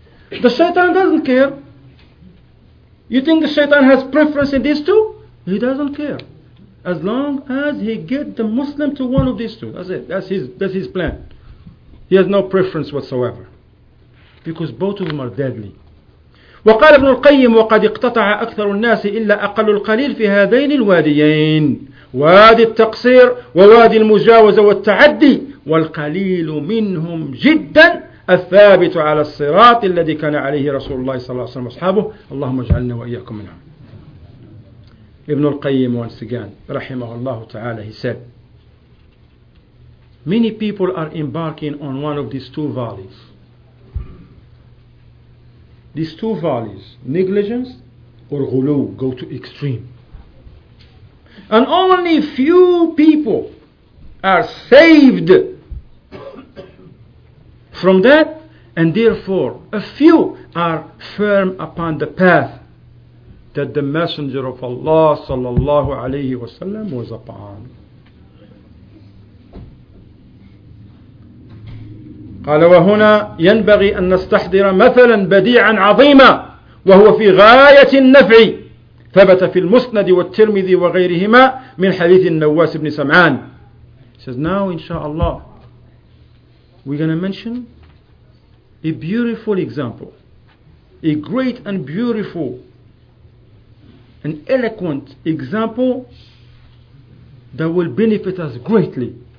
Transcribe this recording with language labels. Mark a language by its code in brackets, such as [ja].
[en] The shaitan doesn't care. You think the shaitan has preference in these two? He doesn't care. As long as he get the Muslim to one of these two, that's it. That's his plan. He has no preference whatsoever, because both of them are deadly. [ar] وقال ابن القيم وقد اقتطع أكثر الناس إلا أقل القليل في هذين الواديين وادي التقصير ووادي المجاوزة والتعدي والقليل منهم جدا الثابت على الصراط الذي كان عليه رسول الله صلى الله عليه وسلم أصحابه اللهم اجعلنا وإياكم منهم. [en] ابن القيم once again [ar] رحمه الله تعالى, [en] he said, many people are embarking on one of these two valleys. These two valleys, negligence or ghulu, go to extreme. And only few people are saved from that, and therefore a few are firm upon the path that the Messenger of Allah sallallahu alayhi wasallam was upon. [ar] قال وهنا ينبغي أن نستحضر مثلا بديعا عظيما وهو في غاية النفع ثبت في المسند والترمذي وغيرهما من حديث النواس بن سمعان. [en] He says, now inshallah we're going to mention a beautiful example, a great and beautiful and eloquent example that will benefit us greatly,